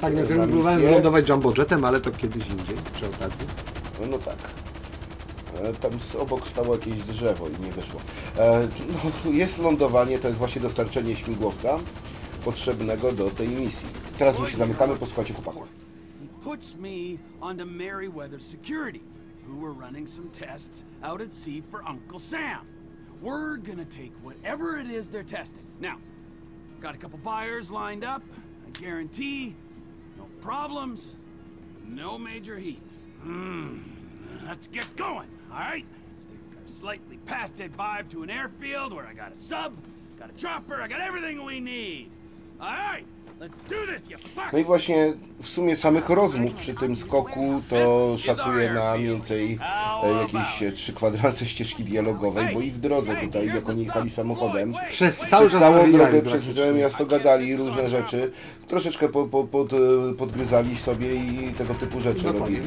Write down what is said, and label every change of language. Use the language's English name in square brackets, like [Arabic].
[Polish] Tak, na którym próbowałem wylądować jumbo jetem, ale to kiedyś indziej, przy okazji. No tak. Tam z obok stało jakieś drzewo i nie wyszło. No, jest lądowanie, to jest właśnie dostarczenie śmigłowca potrzebnego do tej misji. Teraz my się zamykamy po składzie chłopaków. [English] Puts me onto Meriwether Security, who were running some tests out at sea for Uncle Sam. We're gonna take whatever it is they're testing. Now, got a couple buyers lined up, I guarantee no problems, no major heat. Let's get going, all right? Let's take a slightly pasted vibe to an airfield where I got a sub, got a chopper, I got everything we need. All right. [Polish] No i właśnie w sumie samych rozmów przy tym skoku to szacuję na mniej więcej jakieś 3 kwadranse ścieżki dialogowej, bo i w drodze tutaj, jak oni jechali samochodem, przez całą drogę miasto gadali różne rzeczy, troszeczkę podgryzali sobie i tego typu rzeczy robili.